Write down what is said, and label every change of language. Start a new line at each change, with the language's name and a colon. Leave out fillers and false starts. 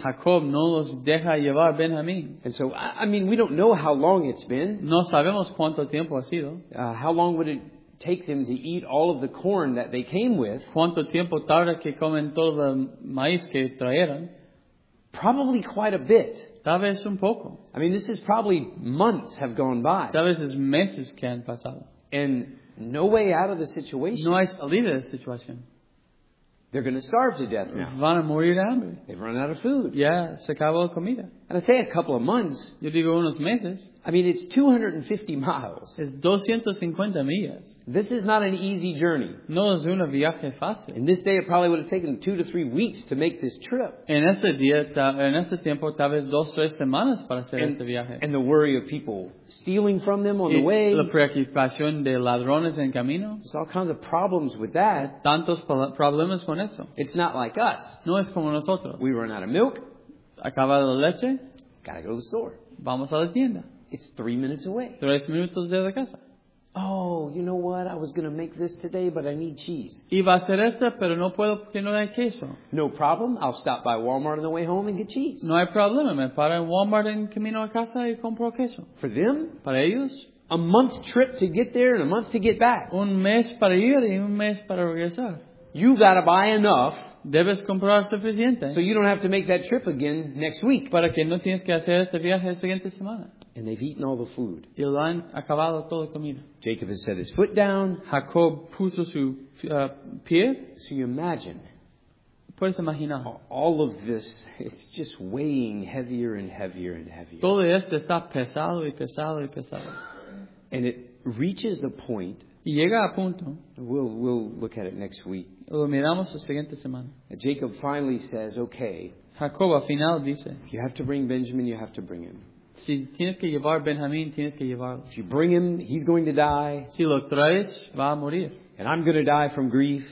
Spanish: Jacob no los deja llevar Benjamín.
English: And so, I mean, we don't know how long it's been.
Spanish: No sabemos cuánto tiempo ha sido.
English: How long would it take them to eat all of the corn that they came with?
Spanish: Cuánto tiempo tarda que comen todo el maíz que trajeron?
English: Probably quite a bit.
Spanish: Tal vez un poco.
English: I mean, this is probably months have gone by.
Spanish: Tal vez es meses que han pasado.
English: And no way out of the situation.
Spanish: No hay salida de la situación.
English: They're going to starve to death now.
Spanish: Van a morir de hambre.
English: They've run out of food.
Spanish: Yeah, se acabó la comida.
English: And I say a couple of months.
Spanish: Yo digo unos meses.
English: I mean, it's 250 miles.
Spanish: Es 250 millas.
English: This is not an easy journey.
Spanish: No es un viaje fácil.
English: In this day, it probably would have taken 2 to 3 weeks to make this trip.
Spanish: En ese día, en ese tiempo, tal vez 2 o 3 semanas para hacer este viaje.
English: And the worry of people stealing from them on the way.
Spanish: La preocupación de ladrones en camino.
English: There's all kinds of problems with that.
Spanish: Tantos problemas con eso.
English: It's not like us.
Spanish: No es como nosotros.
English: We run out of milk.
Spanish: Acaba la leche.
English: Gotta go to the store.
Spanish: Vamos a la tienda.
English: It's 3 minutes away.
Spanish: 3 minutos de la casa.
English: Oh, you know what? I was going to make this today, but I need cheese.
Spanish: Iba a hacer esta, pero no puedo porque no hay queso.
English: No problem. I'll stop by Walmart on the way home and get cheese.
Spanish: No hay problema. Me paro en Walmart en camino a casa y compro queso.
English: For them?
Spanish: Para ellos?
English: A month trip to get there and a month to get back.
Spanish: Un mes para ir y un mes para regresar.
English: You got to buy enough.
Spanish: Debes comprar suficiente.
English: So you don't have to make that trip again next week.
Spanish: Para que no tienes que hacer este viaje la siguiente semana.
English: And they've eaten all the food.
Spanish: Y lo han acabado toda la comida.
English: Jacob has set his foot down.
Spanish: Jacob puso su pie.
English: So you imagine.
Spanish: Puedes imaginar.
English: All of this is just weighing heavier and heavier and heavier.
Spanish: Todo esto está pesado y pesado y pesado.
English: And it reaches the point.
Spanish: Y llega a punto.
English: We'll look at it next week.
Spanish: Lo miramos la siguiente semana.
English: And Jacob finally says, okay.
Spanish: Jacob al final dice.
English: If you have to bring Benjamin, you have to bring him.
Spanish: Si tienes que llevar Benjamín, tienes que llevarlo.
English: If you bring him, he's going to die.
Spanish: Si lo traes, va a morir.
English: And I'm going to die from grief.